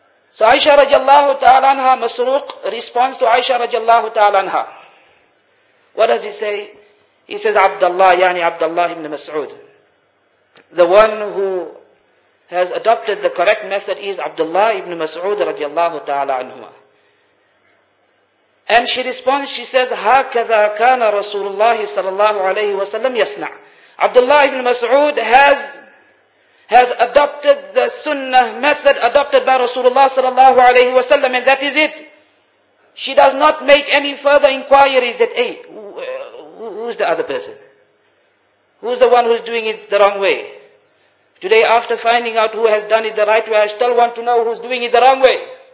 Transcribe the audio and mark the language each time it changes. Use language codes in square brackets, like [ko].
[en] So Aisha radiallahu ta'ala anha, Masruq responds to Aisha radiallahu ta'ala anha. What does he say? He says, Abdullah, yani Abdullah ibn Mas'ud. The one who has adopted the correct method is Abdullah ibn Mas'ud radiallahu ta'ala anhuma. And she responds, she says, [ar] هَكَذَا كَانَ رَسُولُ اللَّهِ صَلَى اللَّهُ عَلَيْهِ وَسَلَّمْ يَسْنَعُ. [en] Abdullah ibn Mas'ud has adopted the sunnah method adopted by Rasulullah sallallahu alayhi wa sallam, and that is it. She does not make any further inquiries that, hey, who's the other person? Who's the one who's doing it the wrong way? Today, after finding out who has done it the right way, I still want to know who's doing it the wrong way.